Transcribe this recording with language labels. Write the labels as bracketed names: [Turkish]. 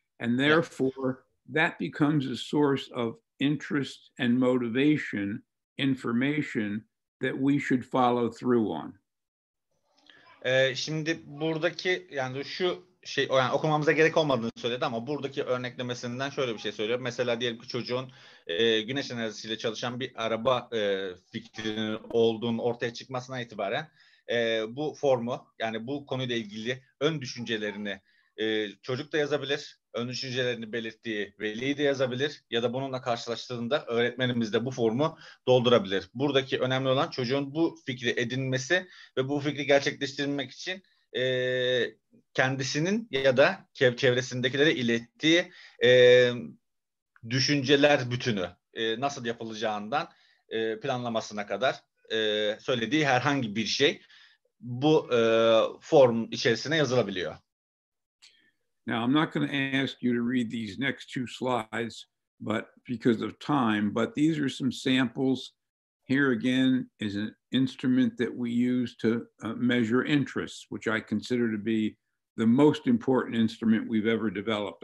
[English] And therefore, that becomes a source of interest and motivation information that we should follow through on. [Turkish] Şimdi buradaki, yani şu şey, yani okumamıza gerek olmadığını söyledi ama buradaki örneklemesinden şöyle bir şey söylüyor. Mesela diyelim ki çocuğun güneş enerjisiyle çalışan bir araba fikrinin olduğunu ortaya çıkmasına itibaren bu formu, yani bu konuyla ilgili ön düşüncelerini çocuk da yazabilir, ön düşüncelerini belirttiği veli de yazabilir ya da bununla karşılaştığında öğretmenimiz de bu formu doldurabilir. Buradaki önemli olan çocuğun bu fikri edinmesi ve bu fikri gerçekleştirmek için kendisinin ya da çevresindekilere ilettiği düşünceler bütünü nasıl yapılacağından planlamasına kadar söylediği herhangi bir şey bu form içerisine yazılabiliyor. [English] Now I'm not going to ask you to read these next two slides, but because of time, but these are some samples. Here again is an instrument that we use to measure interests, which I consider to be the most important instrument we've ever developed.